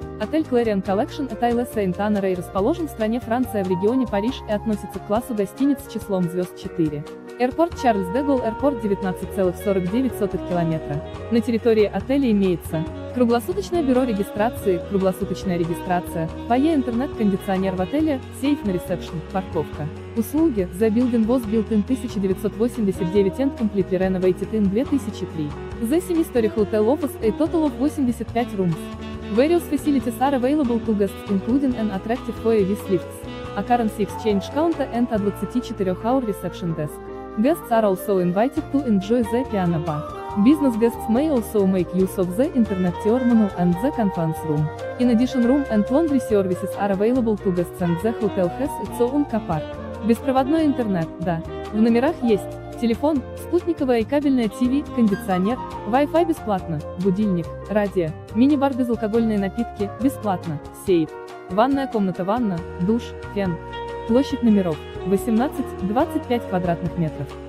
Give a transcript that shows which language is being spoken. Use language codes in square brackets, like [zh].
[ru] Отель Clarion Collection от Isle Saint-Honoré расположен в стране Франция в регионе Париж и относится к классу гостиниц с числом звезд 4. Аэропорт Charles de Gaulle Airport 19,49 километра. На территории отеля имеется круглосуточное бюро регистрации, круглосуточная регистрация, фойе, интернет, кондиционер в отеле, сейф на ресепшн, парковка. Услуги: [en] The Building was built in 1989 and completely renovated in 2003. The 7-story hotel offers a total of 85 rooms. Various facilities are available to guests, including an attractive foyer with lifts, a currency exchange counter and a 24-hour reception desk. Guests are also invited to enjoy the piano bar. Business guests may also make use of the internet terminal and the conference room. In addition, room and laundry services are available to guests and the hotel has its own car park. [ru] Беспроводной интернет, да. В номерах есть телефон, спутниковое и кабельное ТВ, кондиционер, Wi-Fi бесплатно, будильник, радио, мини-бар, безалкогольные напитки, бесплатно, сейф, ванная комната, ванна, душ, фен. Площадь номеров 18-25 квадратных метров.